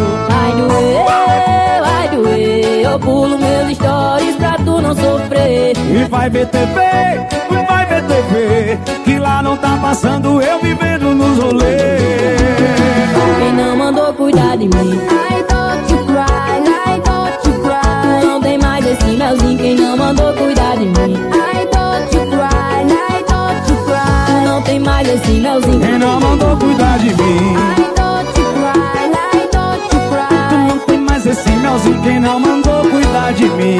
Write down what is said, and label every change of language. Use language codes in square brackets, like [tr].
[pt] Ai, no eu pulo meus stories pra tu não sofrer. E vai ver TV, vai ver TV, que lá não tá passando eu me vendo nos rolês. Quem não mandou cuidar de mim? [en] Ai, don't you cry, ai, don't you cry. [pt] Tu não tem mais esse melzinho, quem não mandou cuidar de mim? [en] Ai, don't you cry, ai, don't you cry. [pt] Tu não tem mais esse melzinho, quem não mandou cuidar de mim? [en] Ai, don't you cry, ai, don't you cry. [pt] Tu não tem mais esse melzinho, quem não mandou cuidar de mim?